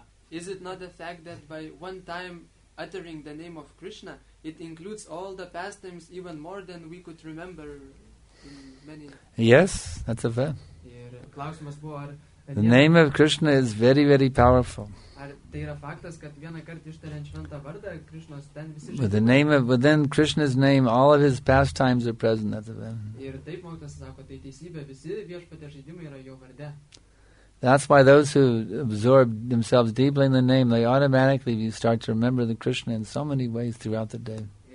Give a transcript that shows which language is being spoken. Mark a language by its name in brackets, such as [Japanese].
[English] Is it not the fact that by one time uttering the name of Krishna, it includes all the pastimes even more than we could remember in many... Yes, that's a fact. [Lithuanian] Ir klausimas buvo, ar... [English] The name of Krishna is very, very powerful. [Lithuanian] Ar tai yra faktas, kad vieną kartą ištariant šventą vardą, Krishna's ten visi... [English] But the name of... But then Krishna's name, all of his pastimes are present, that's a fact. [Lithuanian] Ir taip mokytas sako, tai teisybė, visi viešpatės žaidimai yra jo varde. [English] That's why those who absorb themselves deeply in the name, they automatically start to remember the Krishna in so many ways throughout the day.